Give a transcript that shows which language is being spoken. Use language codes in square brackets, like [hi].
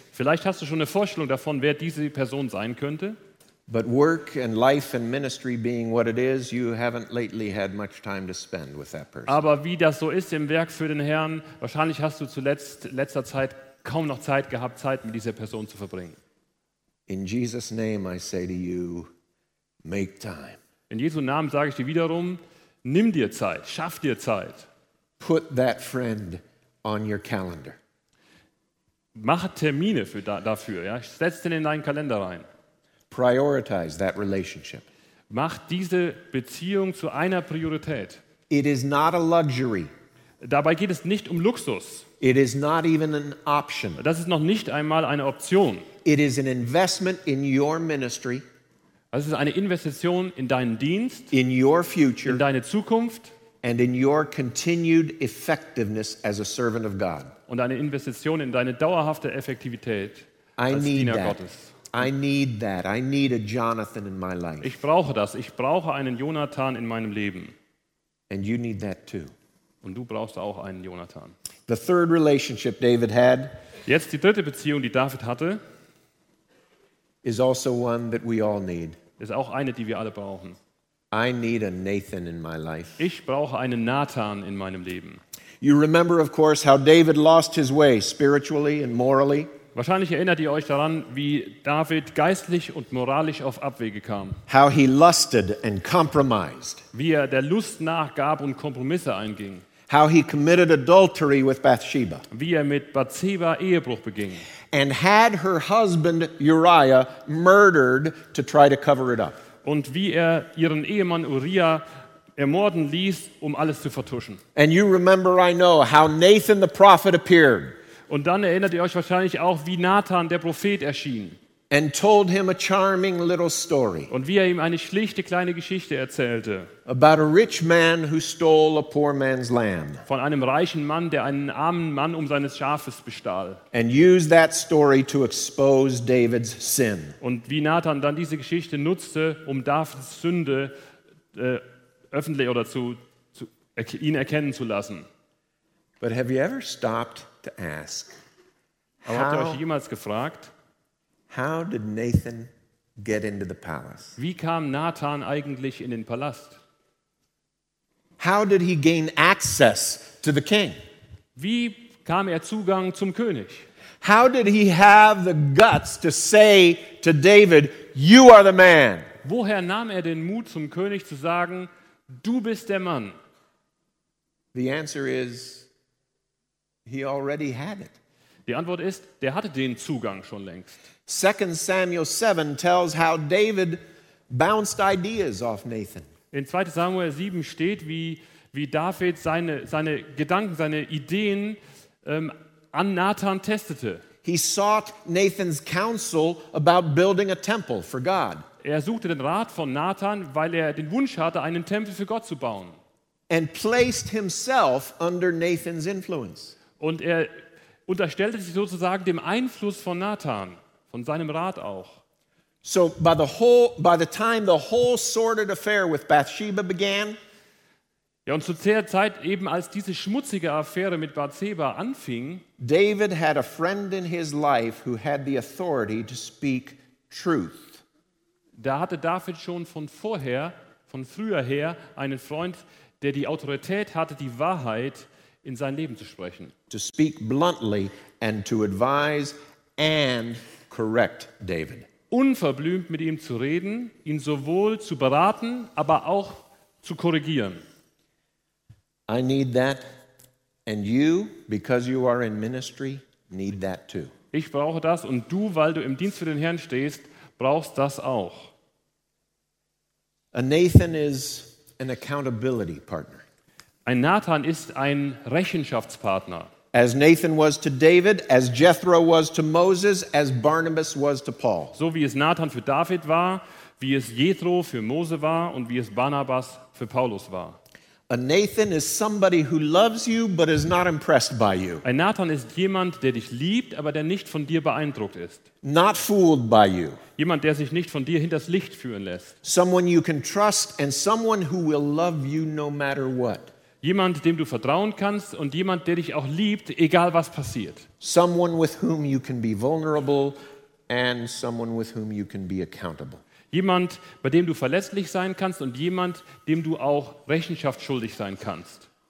[de] Vielleicht hast du schon eine Vorstellung davon, wer diese Person sein könnte. [en] But work and life and ministry being what it is, you haven't lately had much time to spend with that person. [de] Aber wie das so ist im Werk für den Herrn, wahrscheinlich hast du zuletzt letzter Zeit kaum noch Zeit gehabt, Zeit mit dieser Person zu verbringen. [en] In Jesus' name I say to you, make time. [de] In Jesu Namen sage ich dir wiederum, nimm dir Zeit, schaff dir Zeit. [en] Put that friend on your calendar. [de] Mach Termine dafür, ja? Setz den in deinen Kalender rein. [en] Prioritize that relationship. [de] Mach diese Beziehung zu einer Priorität. [en] It is not a luxury. [de] Dabei geht es nicht um Luxus. [en] It is not even an option. [de] Das ist noch nicht einmal eine Option. [en] It is an investment in your ministry. [de] Es ist eine Investition in deinen Dienst, [en] in your future, [de] in deine Zukunft [en] and in your continued effectiveness as a servant of God. [de] Und eine Investition in deine dauerhafte Effektivität als Diener Gottes. [en] I need that. I need a Jonathan in my life. [de] Ich brauche das. Ich brauche einen Jonathan in meinem Leben. [en] And you need that too. [de] Und du brauchst auch einen Jonathan. [en] The third relationship David had. [de] Jetzt die dritte Beziehung, die David hatte. [en] Is also one that we all need. [de] Ist auch eine, die wir alle brauchen. [en] I need a Nathan in my life. [de] Ich brauche einen Nathan in meinem Leben. [en] You remember, of course, how David lost his way spiritually and morally. [de] Wahrscheinlich erinnert ihr euch daran, wie David geistlich und moralisch auf Abwege kam. [en] How he lusted and compromised. [de] Wie er der Lust nachgab und Kompromisse einging. [en] How he committed adultery with Bathsheba. [de] Wie er mit Bathsheba Ehebruch beging. [en] And had her husband Uriah murdered to try to cover it up. [de] Und wie er ihren Ehemann Uriah ermorden ließ, um alles zu vertuschen. [en] And you remember, I know, how Nathan the prophet appeared. [de] Und dann erinnert ihr euch wahrscheinlich auch, wie Nathan, der Prophet, erschien. [en] And told him a charming little story. [de] Und wie er ihm eine schlichte kleine Geschichte erzählte. [en] About a rich man who stole a poor man's lamb. [de] Von einem reichen Mann, der einen armen Mann um seines Schafes bestahl. [en] And used that story to expose David's sin. [de] Und wie Nathan dann diese Geschichte nutzte, um Davids Sünde öffentlich oder ihn erkennen zu lassen. [en] But have you ever stopped to ask? [de] Aber habt ihr euch jemals gefragt? [en] How did Nathan get into the palace? [de] Wie kam Nathan eigentlich in den Palast? [en] How did he gain access to the king? [de] Wie kam er Zugang zum König? [en] How did he have the guts to say to David, "You are the man"? [de] Woher nahm er den Mut zum König zu sagen, du bist der Mann? [en] The answer is he already had it. [de] Die Antwort ist, der hatte den Zugang schon längst. [en] 2 Samuel 7 tells how David bounced ideas off Nathan. [de] In 2. Samuel 7 steht, wie David seine Gedanken, seine Ideen an Nathan testete. [en] He sought Nathan's counsel about building a temple for God. [de] Er suchte den Rat von Nathan, weil er den Wunsch hatte, einen Tempel für Gott zu bauen. [en] And placed himself under Nathan's influence. [de] Und er unterstellte sich sozusagen dem Einfluss von Nathan. Von seinem Rat auch. [en] So by the time the whole sordid affair with Bathsheba began, [de] Ja, und zu der Zeit, eben als diese schmutzige Affäre mit Bathsheba anfing, [en] David had a friend in his life who had the authority to speak truth. [de] Da hatte David schon von früher her einen Freund, der die Autorität hatte, die Wahrheit in sein Leben zu sprechen. [en] To speak bluntly and to advise and correct David. [de] Unverblümt mit ihm zu reden, ihn sowohl zu beraten, aber auch zu korrigieren. [en] I need that, and you, because you are in ministry, need that too. [de] Ich brauche das, und du, weil du im Dienst für den Herrn stehst, brauchst das auch. [en] A Nathan is an accountability partner. [de] Ein Nathan ist ein Rechenschaftspartner. [en] As Nathan was to David, as Jethro was to Moses, as Barnabas was to Paul. [de] So wie es Nathan für David war, wie es Jethro für Mose war und wie es Barnabas für Paulus war. [en] A Nathan is somebody who loves you but is not impressed by you. [de] Ein Nathan ist jemand, der dich liebt, aber der nicht von dir beeindruckt ist. [en] Not fooled by you. [de] Jemand, der sich nicht von dir hinters Licht führen lässt. [en] Someone you can trust and someone who will love you no matter what. [de] Jemand, dem du vertrauen kannst und jemand, der dich auch liebt, egal was passiert. [en] Someone with whom you can be vulnerable and someone with whom you can be accountable. [de] Jemand, bei dem du verlässlich sein kannst und jemand, dem du auch Rechenschaft schuldig sein kannst.